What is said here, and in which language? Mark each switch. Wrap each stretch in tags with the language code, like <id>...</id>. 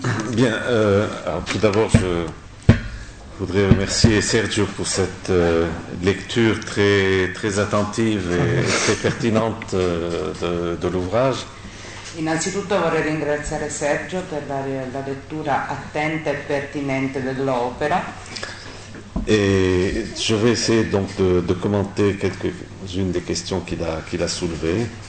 <fr>Bien, alors tout d'abord, je voudrais remercier Sergio pour cette lecture très, très attentive et très pertinente de l'ouvrage.</fr> <it>Innanzitutto vorrei ringraziare Sergio per la lettura attenta e pertinente dell'opera.</it> <fr>Et je vais essayer donc de commenter quelques-unes des questions qu'il a soulevées.</fr>